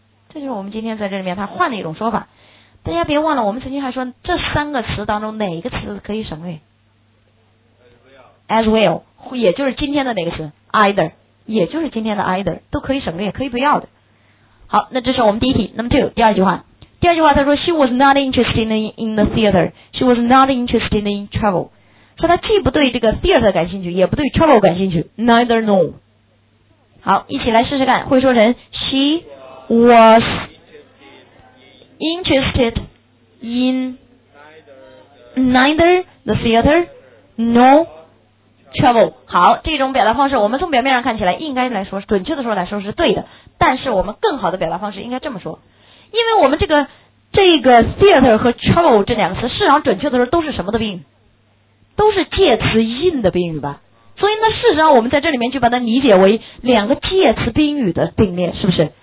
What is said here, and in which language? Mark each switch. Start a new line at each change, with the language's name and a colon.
Chinese: 这就是我们今天在这里面他换的一种说法。大家别忘了，我们曾经还说这三个词当中哪一个词可以省略 ？As well， 也就是今天的哪个词 ？Either， 也就是今天的 either 都可以省略，可以不要的。好，那这是我们第一题。那么 two， 第二句话，第二句话他说 She was not interested in the theater.
English: She was not interested in travel.
Chinese: 说他既不对这个 theater 感兴趣，也不对 travel 感兴趣， neither nor。
English: 好，一起来试试看，会说成 She was interested in neither the theater nor travel。
Chinese: 好，这种表达方式我们从表面上看起来应该来说，准确的说来说是对的，但是我们更好的表达方式应该这么说，因为我们这个 theater 和 travel 这两个词市场准确的时候都是什么的病，都是介词 in 的宾语吧，所以那事实上我们在这里面就把它理解为两个介词宾语的并列，是不是？